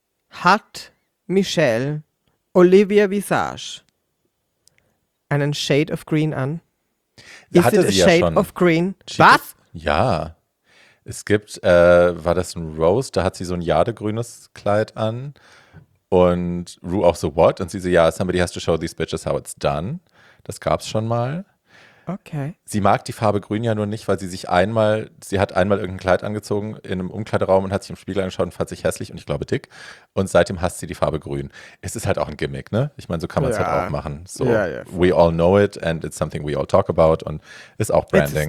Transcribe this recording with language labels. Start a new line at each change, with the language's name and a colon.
German: Hat Michelle Olivia Visage einen Shade of Green an? Ist hatte it sie a ja
English: Shade
German: schon.
English: Of Green? She was?
German: Ja. Es gibt, war das ein Rose? Da hat sie so ein jadegrünes Kleid an. Und Rue auch so, what? Und sie so, ja,
English: somebody has to show these bitches how it's done.
German: Das gab's schon mal. Okay. Sie mag die Farbe grün ja nur nicht, weil sie sich einmal, sie hat einmal irgendein Kleid angezogen in einem Umkleideraum und hat sich im Spiegel angeschaut und fand sich hässlich und ich glaube dick. Und seitdem hasst sie die Farbe grün. Es ist halt auch ein Gimmick, ne? Ich meine, so kann man es ja. Halt auch machen.
English: So, ja, ja, we all know it and it's something we all talk about
German: und ist auch Branding.